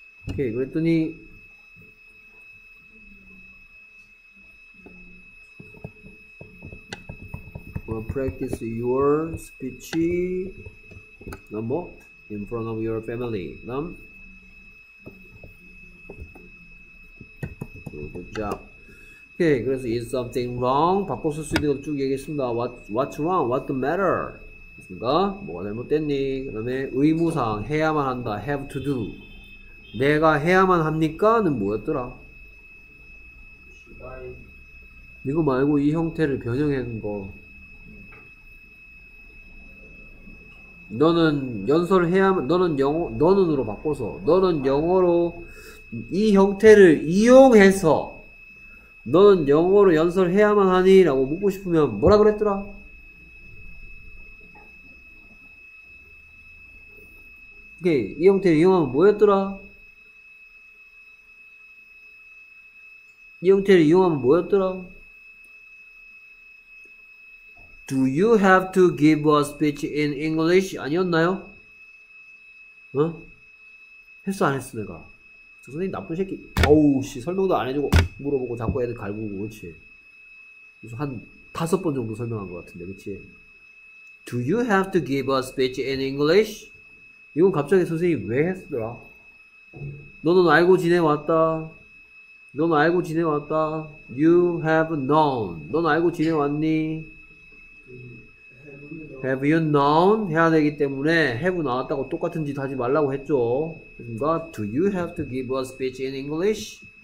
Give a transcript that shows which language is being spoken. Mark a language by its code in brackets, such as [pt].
[en] Okay, [ko] 그랬더니 [en] we'll practice your speech in front of your family. Good job. 자, okay, 그래서 is something wrong? [ko] 바꿔서 쓸 수 있는 거 쭉 얘기했습니다. What's wrong? What's the matter? 그니까 뭐가 잘못됐니? 그 다음에 의무사항, 해야만 한다, [en] have to do. [ko] 내가 해야만 합니까?는 뭐였더라? [en] Should I? [ko] 이거 말고 이 형태를 변형한 거. 너는 연설을 해야만, 너는 영어, 너는으로 바꿔서, 너는 영어로 이 형태를 이용해서, 너는 영어로 연설을 해야만 하니? 라고 묻고 싶으면 뭐라 그랬더라? 오케이, 이 형태를 이용하면 뭐였더라? 이 형태를 이용하면 뭐였더라? [en] Do you have to give a speech in English? [ko] 아니었나요? 어? 했어 안 했어 내가? 저 선생님 나쁜 새끼. 어우 씨, 설명도 안 해주고 물어보고 자꾸 애들 갈구고. 그렇지? 그래서 한 다섯 번 정도 설명한 것 같은데. 그렇지? [en] Do you have to give a speech in English? [ko] 이건 갑자기 선생님이 왜 했더라? 너는 알고 지내왔다. 넌 알고 지내왔다. [en] You have known. [ko] 넌 알고 지내왔니? [en] Have you known? [ko] 해야 되기 때문에 have 나왔다고 똑같은 짓 하지 말라고 했죠. [en] 그러니까 Do you have to give a speech in English?